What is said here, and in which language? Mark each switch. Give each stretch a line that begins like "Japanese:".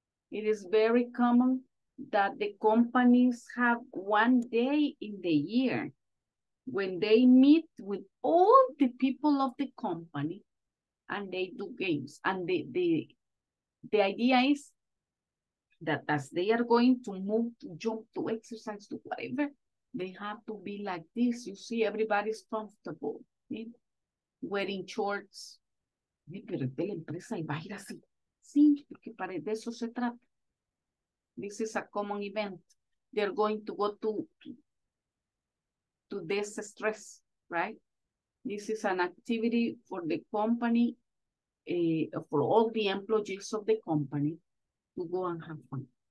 English: It is very common that the companies have one day in the year when they meet with all the people of the company and they do games. And the idea is that as they are going to move, to jump, to exercise, to whatever, they have to be like this. You see, everybody's comfortable, right? Wearing shorts.
Spanish: Pero de la empresa y va a ir así. Sí, porque para de eso se trata.
English: This is a common event. They're going to go to this stress, right? This is an activity for the company, for all the employees of the company to go and have fun.